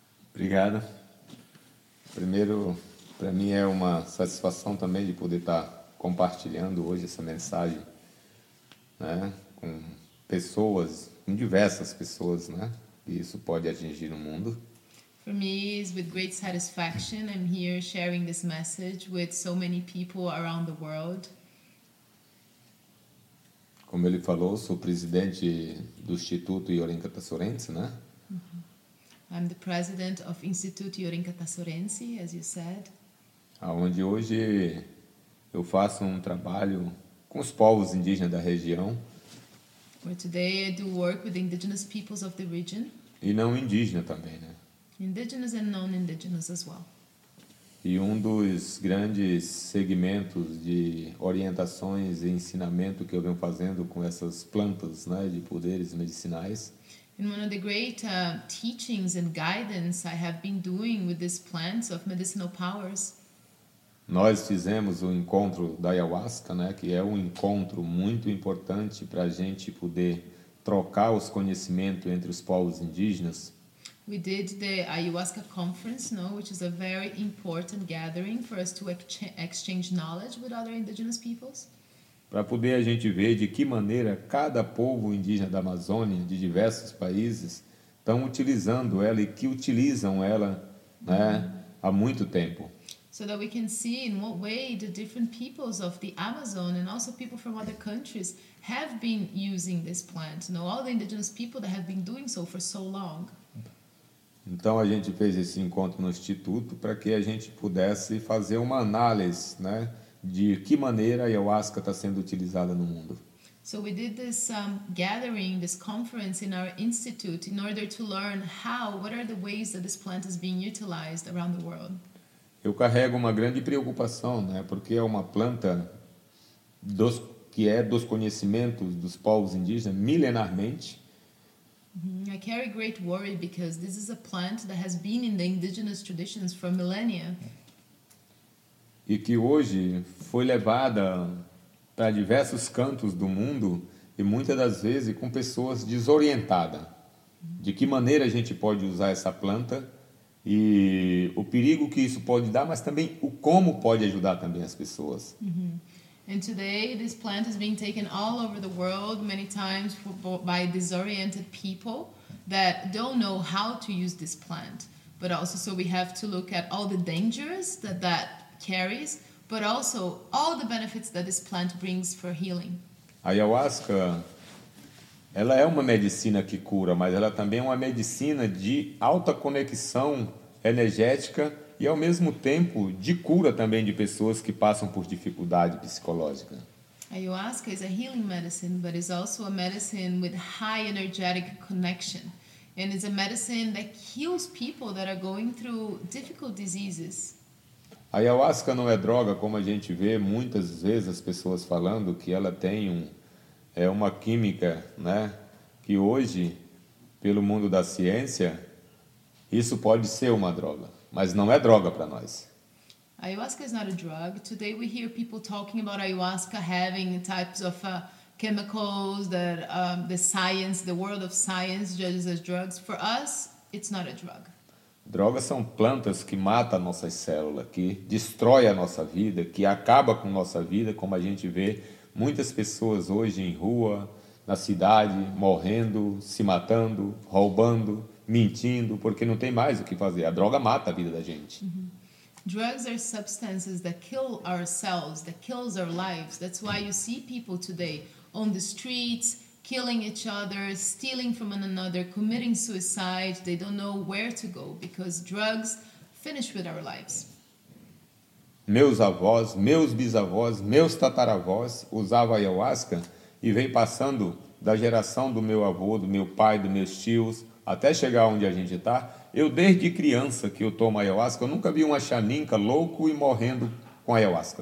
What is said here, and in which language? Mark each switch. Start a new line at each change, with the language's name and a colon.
Portuguese: Obrigado. Primeiro, para mim é uma satisfação também de poder estar compartilhando hoje essa mensagem, né, com pessoas, com diversas pessoas, né, que isso pode atingir no mundo.
English: For me, it's with great satisfaction I'm here sharing this message with so many people around the world.
Portuguese: Como ele falou, sou presidente do Instituto Yorinkata Sorense, né?
English: Uh-huh. I'm the president of Instituto Yorinkata Sorense, as you said.
Portuguese: Aonde hoje eu faço um trabalho com os povos indígenas da região.
English: Where today I do work with indigenous peoples of the region.
Portuguese: E não indígena também, né?
English: Indigenous and non-indigenous as well.
Portuguese: E dos grandes segmentos de orientações e ensinamento que eu venho fazendo com essas plantas, né, de poderes medicinais.
English: And one of the great teachings and guidance I have been doing with these plants of medicinal powers.
Portuguese: Nós fizemos o encontro da ayahuasca, né, que é um encontro muito importante para a gente poder trocar os conhecimentos entre os povos indígenas.
English: We did the ayahuasca conference, no, which is a very important gathering for us to exchange knowledge with other indigenous peoples.
Portuguese: Para poder a gente ver de que maneira cada povo indígena da Amazônia, de diversos países, estão utilizando ela e que utilizam ela, né, há muito tempo.
English: So that we can see in what way the different peoples of the Amazon and also people from other countries have been using this plant, no, all the indigenous people that have been doing so for so long.
Portuguese: Então a gente fez esse encontro no Instituto para que a gente pudesse fazer uma análise, né, de que maneira a ayahuasca está sendo utilizada no mundo.
English: So we did this gathering, this conference in our institute in order to learn how, what are the ways that this plant is being utilized around the world.
Portuguese: Eu carrego uma grande preocupação, né, porque é uma planta que é dos conhecimentos dos povos indígenas milenarmente.
English: I carry great worry because this is a plant that has been in the indigenous traditions for millennia.
Portuguese: E que hoje foi levada para diversos cantos do mundo e muitas das vezes com pessoas desorientadas. De que maneira a gente pode usar essa planta e o perigo que isso pode dar, mas também o como pode ajudar também as pessoas. Uhum.
English: And today, this plant is being taken all over the world many times by disoriented people that don't know how to use this plant. But also, so we have to look at all the dangers that that carries, but also all the benefits that this plant brings for healing.
Portuguese: Ayahuasca, ela é uma medicina que cura, mas ela também é uma medicina de alta conexão energética e ao mesmo tempo de cura também de pessoas que passam por dificuldade psicológica.
English: Ayahuasca is a healing medicine, but it's also a medicine with high energetic connection. And it's a medicine that heals people that are going through difficult diseases.
Portuguese: Ayahuasca não é droga, como a gente vê muitas vezes as pessoas falando que ela tem uma química, né? Que hoje, pelo mundo da ciência, isso pode ser uma droga, mas não é droga para nós.
English: Ayahuasca is not a drug. Today we hear people talking about ayahuasca having types of chemicals that the science, the world of science judges as drugs. For us, it's not a drug.
Portuguese: Drogas são plantas que matam nossas células, que destrói a nossa vida, que acaba com nossa vida, como a gente vê muitas pessoas hoje em rua, na cidade, morrendo, se matando, roubando, mentindo, porque não tem mais o que fazer. A droga mata a vida da gente. Uhum.
English: Drugs are substances that kill our cells, that kills our lives. That's why you see people today on the streets, killing each other, stealing from one another, committing suicide. They don't know where to go because drugs finish with our lives.
Portuguese: Meus avós, meus bisavós, meus tataravós usavam ayahuasca e vem passando da geração do meu avô, do meu pai, dos meus tios, até chegar onde a gente está. Eu, desde criança que eu tomo ayahuasca, eu nunca vi uma xaninca louco e morrendo com ayahuasca.